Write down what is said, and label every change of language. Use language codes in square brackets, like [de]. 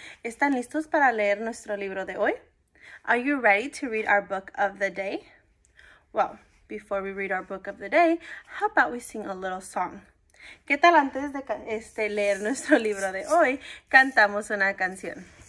[es] ¿Están listos para leer nuestro libro de hoy? [en] Are you ready to read our book of the day? Well, before we read our book of the day, how about we sing a little song? [es] ¿Qué tal antes de leer nuestro libro de hoy, cantamos una canción?